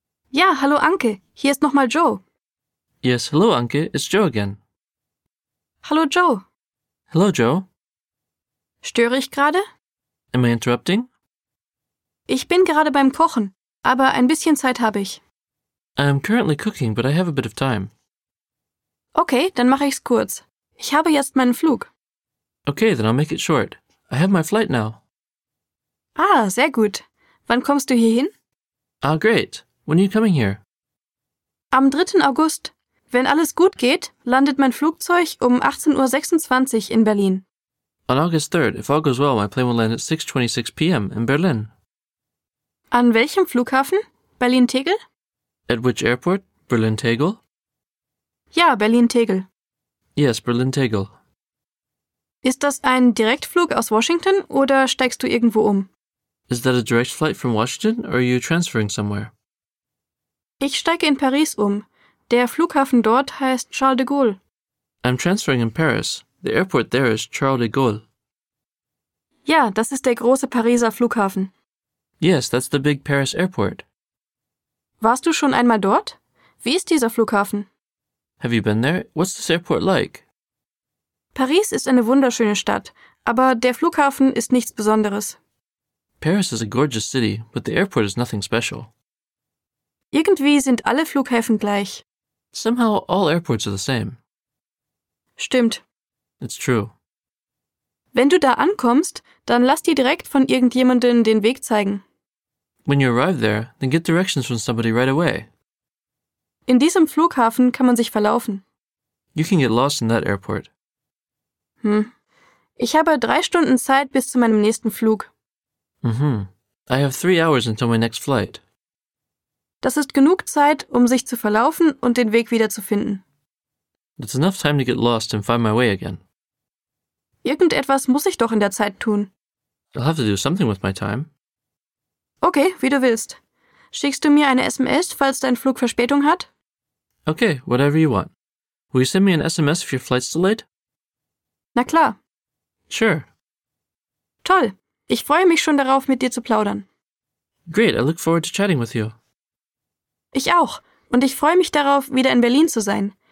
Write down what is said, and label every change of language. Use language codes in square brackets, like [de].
[de] Ja, hallo Anke, hier ist nochmal Joe. [en] Yes, hello Anke, it's Joe again. [de] Hallo Joe. [en] Hello Joe. [de] Störe ich gerade? [en] Am I interrupting? [de] Ich bin gerade beim Kochen, aber ein bisschen Zeit habe ich. [en] I'm currently cooking, but I have a bit of time. [de] Okay, dann mache ich's kurz. Ich habe jetzt meinen Flug. [en] Okay, then I'll make it short. I have my flight now. [de] Ah, sehr gut. Wann kommst du hier hin? [en] Ah, great. When are you coming here? [de] Am 3. August. Wenn alles gut geht, landet mein Flugzeug um 18.26 Uhr in Berlin. [en] On August 3rd, if all goes well, my plane will land at 6.26 p.m. in Berlin. [de] An welchem Flughafen? Berlin-Tegel? [en] At which airport? Berlin-Tegel? [de] Ja, Berlin-Tegel. [en] Yes, Berlin-Tegel. [de] Ist das ein Direktflug aus Washington oder steigst du irgendwo um? [en] Is that a direct flight from Washington or are you transferring somewhere? [de] Ich steige in Paris um. Der Flughafen dort heißt Charles de Gaulle. [en] I'm transferring in Paris. The airport there is Charles de Gaulle. [de] Ja, das ist der große Pariser Flughafen. [en] Yes, that's the big Paris airport. [de] Warst du schon einmal dort? Wie ist dieser Flughafen? [en] Have you been there? What's this airport like? [de] Paris ist eine wunderschöne Stadt, aber der Flughafen ist nichts Besonderes. [en] Paris is a gorgeous city, but the airport is nothing special. [de] Irgendwie sind alle Flughäfen gleich. [en] Somehow all airports are the same. [de] Stimmt. [en] It's true. [de] Wenn du da ankommst, dann lass dir direkt von irgendjemandem den Weg zeigen. [en] When you arrive there, then get directions from somebody right away. [de] In diesem Flughafen kann man sich verlaufen. [en] You can get lost in that airport. [de] Ich habe 3 Stunden Zeit bis zu meinem nächsten Flug. [en] I have 3 hours until my next flight. [de] Das ist genug Zeit, um sich zu verlaufen und den Weg wiederzufinden. [en] That's enough time to get lost and find my way again. [de] Irgendetwas muss ich doch in der Zeit tun. [en] I'll have to do something with my time. [de] Okay, wie du willst. Schickst du mir eine SMS, falls dein Flug Verspätung hat? [en] Okay, whatever you want. Will you send me an SMS if your flight's delayed? [de] Na klar. [en] Sure. [de] Toll. Ich freue mich schon darauf, mit dir zu plaudern. [en] Great, I look forward to chatting with you. [de] Ich auch. und ich freue mich darauf, wieder in Berlin zu sein.